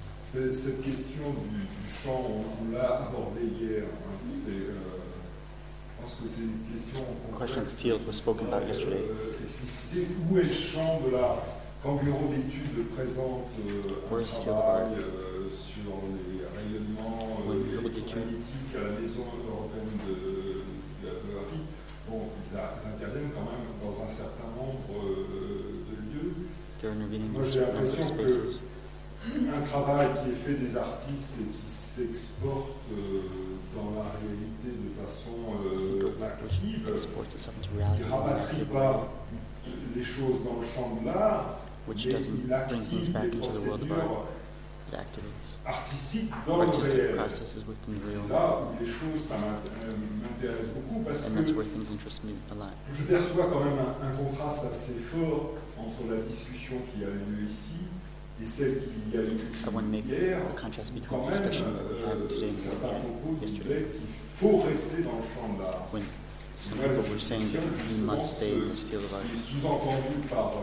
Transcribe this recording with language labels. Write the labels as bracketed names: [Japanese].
[French] Cette question du champ, on l'a abordée hier. Hein, je pense que c'est une question. [English] The question of the field was spoken about yesterday. [French] Où est le champ de l'art? Quand Bureau d'études présente un travail sur les rayonnements électromagnétiques à la Maison européenne de la photographie, bon, ils interviennent quand même dans un certain nombre de lieux. Moi, j'ai l'impression que. Un travail qui est fait des artistes et qui s'exporte dans la réalité de façon active, qui ne rapatrie pas les choses dans le champ de l'art, mais il active les procédures artistiques dans le réel. C'est là où les choses, ça m'intéresse beaucoup, parce que je perçois quand même un contraste assez fort entre la discussion qui a lieu ici. [English] I want to make a contrast between the discussion that we had today and yesterday. When some people were saying that we must stay in the field of art,